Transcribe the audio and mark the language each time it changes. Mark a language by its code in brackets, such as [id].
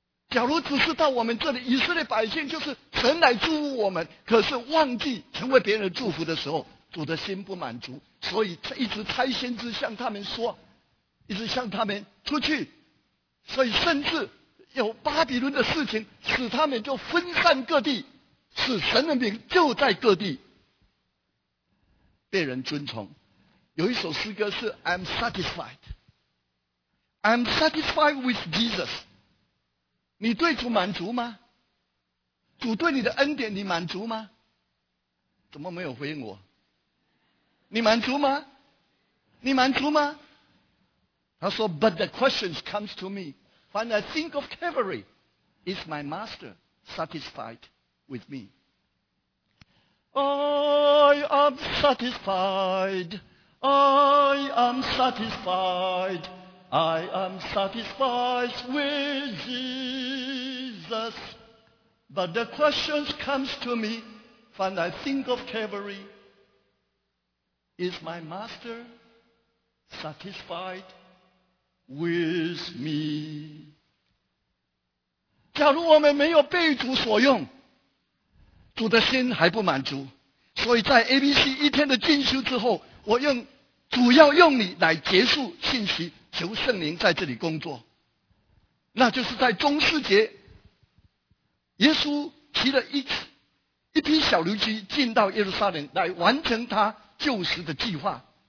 [zh] 假如只是到我们这里，以色列百姓就是神来祝福我们，可是忘记成为别人祝福的时候，主的心不满足，所以一直差先知向他们说，一直向他们出去，所以甚至有巴比伦的事情使他们就分散各地，使神的名就在各地被人尊崇。有一首诗歌是 [en] I'm satisfied, I'm satisfied with Jesus。 [zh] 你对主满足吗？主对你的恩典你满足吗？怎么没有回应我？你满足吗？你满足吗？他说 [en] But the question comes to me, when I think of Calvary, is my master satisfied with me? I am satisfied, I am satisfied,I am satisfied with Jesus, but the question comes to me when I think of Calvary, is my master satisfied with me? [zh] 假如我们没有被主所用，主的心还不满足，所以在 ABC 一天的进修之后，我用主要用你来结束信息，求圣灵在这里工作。那就是在中世节，耶稣骑了一匹小驴驹进到耶路撒冷来完成他救赎的计划。